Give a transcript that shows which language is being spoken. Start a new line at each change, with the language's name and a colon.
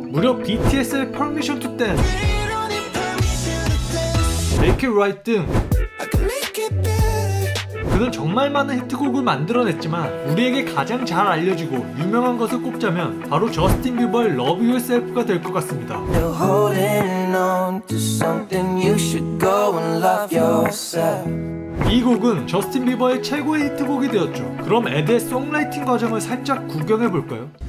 Korean: 무려 BTS의 Permission to Dance, Make It Right 등 그는 정말 많은 히트곡을 만들어냈지만 우리에게 가장 잘 알려지고 유명한 것을 꼽자면 바로 저스틴 비버의 Love Yourself가 될 것 같습니다.
English: You're holding on to something, you should go and love yourself.
Korean: 이 곡은 저스틴 비버의 최고의 히트곡이 되었죠. 그럼 에드의 송라이팅 과정을 살짝 구경해 볼까요?